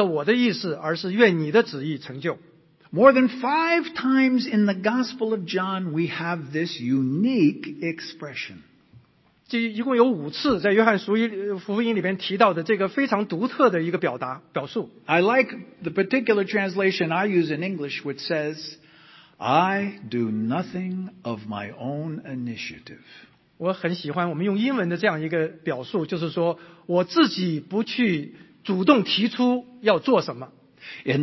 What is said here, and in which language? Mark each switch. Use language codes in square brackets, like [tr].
[zh] 为此，他的一生都要活在这样的一个里面，就是不是照着我的意思，而是愿你的旨意成就。 [en] More than five times in the Gospel of John, we have this unique expression. [zh] 一共有五次在约翰福音里面提到的这个非常独特的一个表达表述。 [en] I like the particular translation I use in English, which says, I do nothing of my own initiative. [zh] 我很喜欢我们用英文的这样一个表述，就是说我自己不去主动提出要做什么。 [en] In